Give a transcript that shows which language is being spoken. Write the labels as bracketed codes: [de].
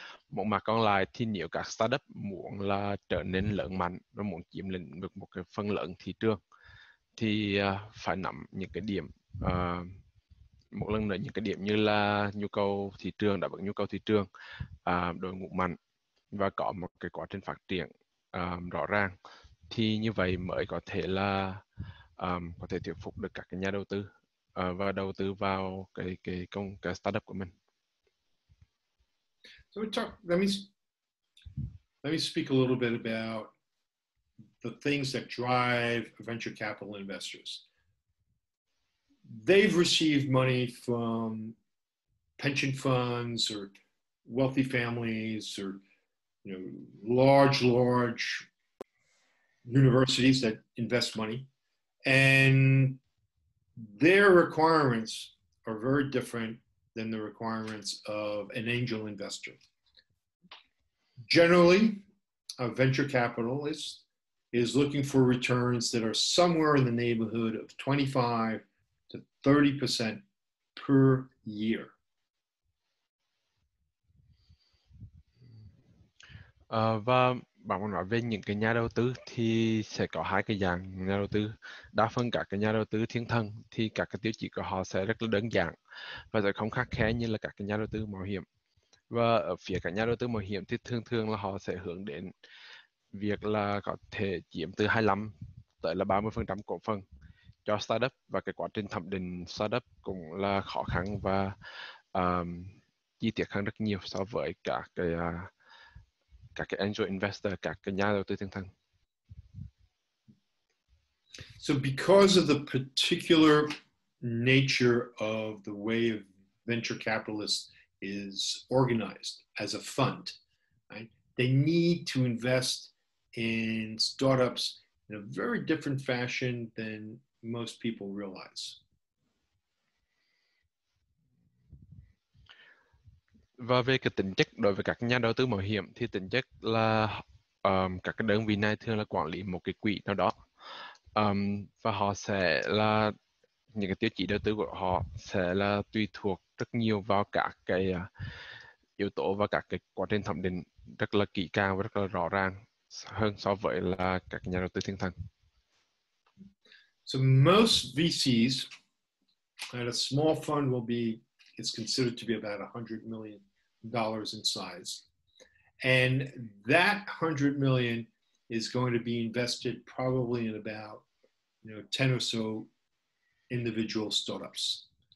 [vi] Một mặt còn lại thì nếu các startup muốn là trở nên lớn mạnh và muốn chiếm lĩnh được một cái phần lớn thị trường thì phải nắm những cái điểm một lần nữa, những cái điểm như là nhu cầu thị trường, đáp ứng nhu cầu thị trường, đội ngũ mạnh và có một cái quá trình phát triển rõ ràng thì như vậy mới có thể là có thể thuyết phục được các cái nhà đầu tư và đầu tư vào cái startup của mình. [en] So let me speak a little bit about the things that drive venture capital investors. They've received money from pension funds or wealthy families or, you know, large universities that invest money, and their requirements are very different than the requirements of an angel investor. Generally, a venture capitalist is looking for returns that are somewhere in the neighborhood of 25 to 30% per year. [vi] Và bạn muốn nói về những cái nhà đầu tư thì sẽ có hai cái dạng nhà đầu tư. Đa phần các cái nhà đầu tư thiên thần thì các cái tiêu chí của họ sẽ rất là đơn giản và sẽ không khắt khe như là các cái nhà đầu tư mạo hiểm. Và ở phía các nhà đầu tư mạo hiểm thì thường thường là họ sẽ hướng đến việc là có thể chiếm từ 25 tới là 30% cổ phần cho startup và cái quá trình thẩm định startup cũng là khó khăn và chi tiết hơn rất nhiều so với các cái angel investor, các cái nhà đầu tư thiên thần. [en] So because of the particular nature of the way of venture capitalists is organized as a fund, right? They need to invest in startups in a very different fashion than most people realize. [vi] Và về cái tính chất đối với các nhà đầu tư mạo hiểm thì tính chất là các cái đơn vị này thường là quản lý một cái quỹ nào đó và họ sẽ là những cái tiêu chí đầu tư của họ sẽ là tùy thuộc rất nhiều vào các cái yếu tố và các cái quá trình thẩm định rất là kỹ càng và rất là rõ ràng hơn so với là các nhà đầu tư thiên thần. [en] So most VCs at a small fund will be, it's considered to be about $100 million in size. And that $100 million is going to be invested probably in about, you know, 10 or so individual startups.